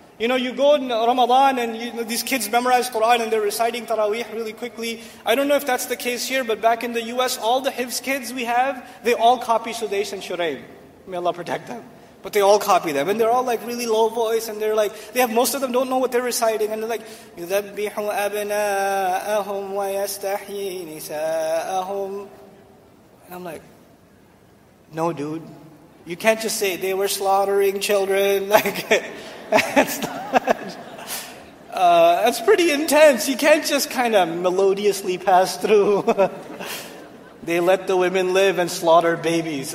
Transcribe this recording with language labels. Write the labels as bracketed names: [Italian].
[English] You know, you go in Ramadan and these kids memorize Quran and they're reciting Taraweeh really quickly. I don't know if that's the case here, but back in the US, all the Hifz kids we have, they all copy Sudais and Shuraib. May Allah protect them. But they all copy them. And they're all like really low voice, and they're like, they have, most of them don't know what they're reciting. And they're like, [Arabic] يُذَبِّحُ أَبْنَاءَهُمْ وَيَسْتَحْيِي نِسَاءَهُمْ. [English] And I'm like, no dude. You can't just say they were slaughtering children. Like, that's pretty intense. You can't just kind of melodiously pass through. They let the women live and slaughter babies.